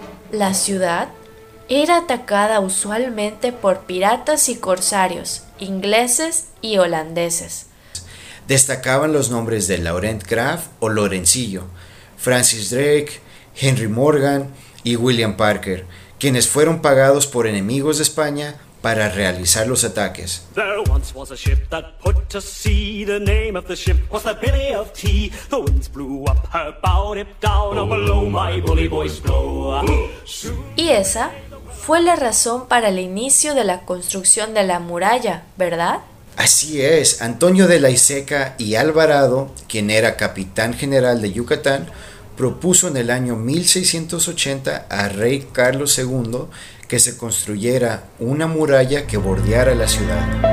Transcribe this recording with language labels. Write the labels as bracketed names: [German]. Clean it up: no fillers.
[Spanish] La ciudad era atacada usualmente por piratas y corsarios ingleses y holandeses. Destacaban los nombres de Laurent Graff o Lorencillo, Francis Drake, Henry Morgan y William Parker, quienes fueron pagados por enemigos de España para realizar los ataques. [English] There once was a ship that put to sea. The name of the ship was the Billy of Tea. The winds blew up her bow, dipped down, and below my bully boys blow. [Spanish] Y esa fue la razón para el inicio de la construcción de la muralla, ¿verdad? Así es, Antonio de la Iseca y Alvarado, quien era capitán general de Yucatán, propuso en el año 1680 a rey Carlos II que se construyera una muralla que bordeara la ciudad.